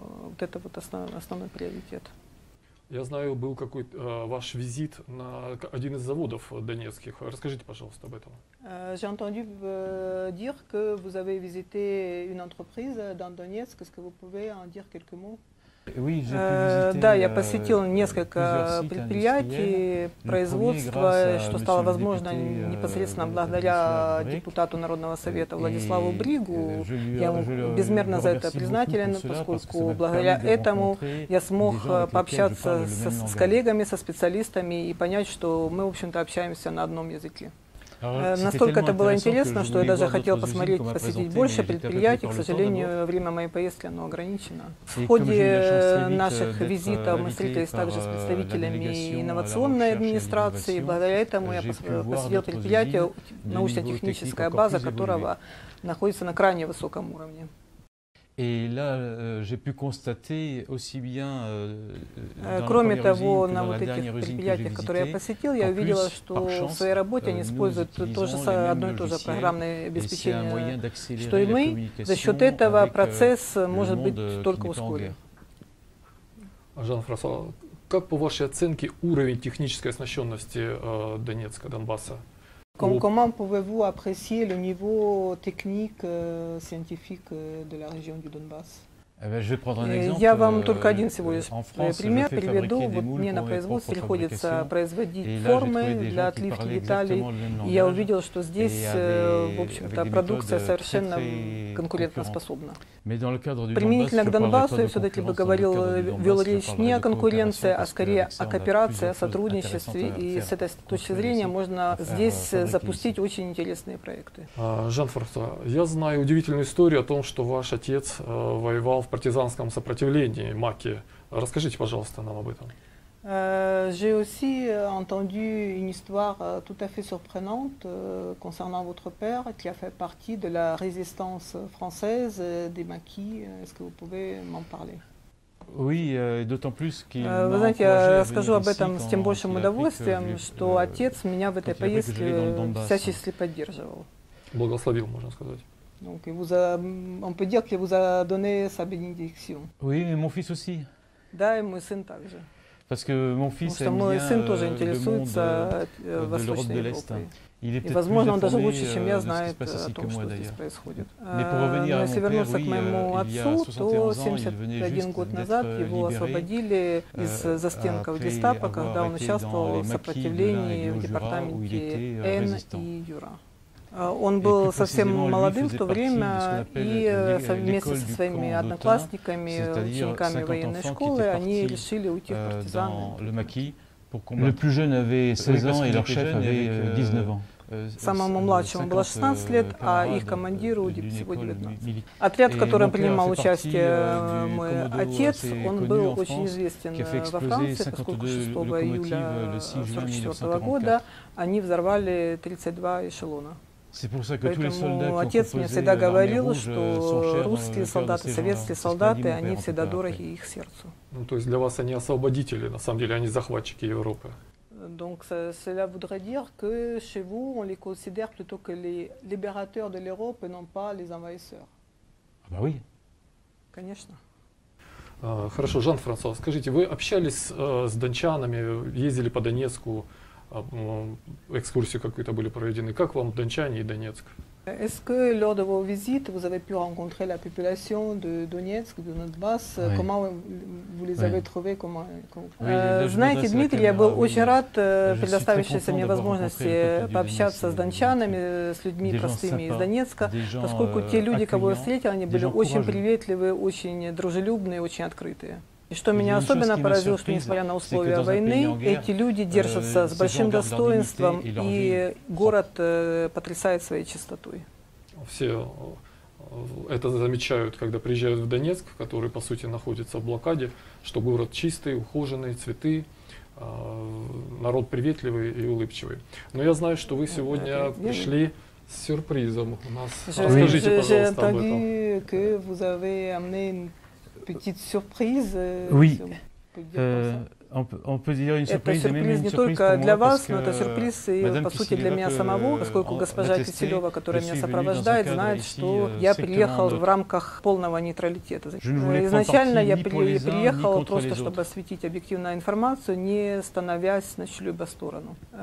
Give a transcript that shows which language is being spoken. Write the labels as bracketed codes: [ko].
[ru] Вот это вот основной приоритет. Я знаю, был какой-то ваш визит на один из заводов донецких. Расскажите, пожалуйста, об этом. [fr] J'ai entendu dire que vous avez visité une entreprise dans Donetsk. Est-ce que vous pouvez en dire quelques mots? Oui, [ru] да, я посетил несколько предприятий, производства, что стало возможно непосредственно благодаря депутату Народного совета Владиславу Бригу. Я ему безмерно за это признателен, поскольку благодаря этому я смог пообщаться с коллегами, со специалистами и понять, что мы, в общем-то, общаемся на одном языке. Настолько это было интересно, что я даже хотел посмотреть, посетить больше предприятий. К сожалению, время моей поездки, оно ограничено. В ходе наших визитов мы встретились также с представителями инновационной администрации. Благодаря этому я посетил предприятие, научно-техническая база которого находится на крайне высоком уровне. [fr] Et là, j'ai pu constater aussi bien [ru] кроме того, на вот этих предприятиях, которые я посетил, я увидела, что в своей работе они используют одно и то же программное обеспечение, что и мы. За счет этого процесс может быть только ускорен. Жан-Франсуа, как по вашей оценке уровень технической оснащенности Донецка, Донбасса? [fr] Comment pouvez-vous apprécier le niveau technique, scientifique de la région du Donbass? [ru] Я вам только один всего лишь пример приведу. Вот мне на производстве приходится производить формы для отливки деталей. И я увидел, что здесь, в общем-то, продукция совершенно конкурентоспособна. Применительно к Донбассу, я все-таки бы вел речь не о конкуренции, а скорее о кооперации, о сотрудничестве. И с этой точки зрения можно здесь запустить очень интересные проекты. Жан-Франсуа, я знаю удивительную историю о том, что ваш отец воевал в партизанском сопротивлении, Маке. Расскажите, пожалуйста, нам об этом. [fr] J'ai aussi entendu une histoire tout à fait surprenante concernant votre père qui a fait partie de la résistance française des Maquis. Est-ce que vous pouvez m'en parler? Oui, d'autant plus qu'il [ru] Вы знаете, я расскажу об этом с тем большим удовольствием, что отец меня в этой поездке всячески поддерживал. Благословил, можно сказать. [fr] Donc, il vous a, on peut dire qu'il vous a donné sa bénédiction. Oui, mais mon fils aussi. [ru] Да, и мой сын также. [fr] Parce que mon fils aime bien le monde de l'Europe de l'Est. [ru] И, возможно, он даже лучше, чем я, знает о том, что здесь происходит. Если вернуться к моему отцу, то 71 год назад его освободили из застенков гестапо, когда он участвовал в сопротивлении в департаменте Н и Юра. Он был совсем молодым в то время, и вместе со своими одноклассниками, учениками военной школы, они решили уйти в партизаны. [fr] Le plus jeune avait 16 ans et leur chef avait 19 ans. [ru] Самому младшему было 16 лет, а их командиру всего 19. Отряд, в котором принимал участие мой отец, он был очень известен во Франции, поскольку 6 июля 1944 года они взорвали 32 эшелона. Поэтому отец мне всегда говорил, что русские солдаты, советские солдаты, они всегда дороги их сердцу. Ну, то есть для вас они освободители, на самом деле они захватчики Европы. [fr] Donc cela voudrait dire que chez vous on les considère plutôt que les libérateurs de l'Europe et non pas les envahisseurs. Ah bah oui. [ru] Конечно. Хорошо, Жан-Франсуа, скажите, вы общались с дончанами, ездили по Донецку, экскурсии какие-то были проведены. Как вам дончане и Донецк? [fr] Est-ce que lors de vos visites, vous avez pu rencontrer la population de Донецк, de Донбасс? Oui. Comment vous les avez trouvés? [ru] Знаете, Дмитрий, я был очень рад предоставившейся мне возможности пообщаться с дончанами, с людьми простыми из Донецка, поскольку те люди, кого я встретил, они были очень приветливы, очень дружелюбные, очень открытые. И что меня особенно поразило, что несмотря на условия войны, эти люди держатся с большим достоинством, и город потрясает своей чистотой. Все это замечают, когда приезжают в Донецк, который, по сути, находится в блокаде, что город чистый, ухоженный, цветы, народ приветливый и улыбчивый. Но я знаю, что вы сегодня пришли с сюрпризом у нас. Расскажите, пожалуйста, об этом. [fr] Que vous avez amené petite surprise. Oui. Si on peut dire une surprise, [ru] это сюрприз не только для вас, но это сюрприз и, по сути, для меня самого, поскольку госпожа Киселева, которая меня сопровождает, знает, что я приехал в рамках полного нейтралитета. Изначально я приехал просто, чтобы осветить объективную информацию, не становясь на чью-либо сторону.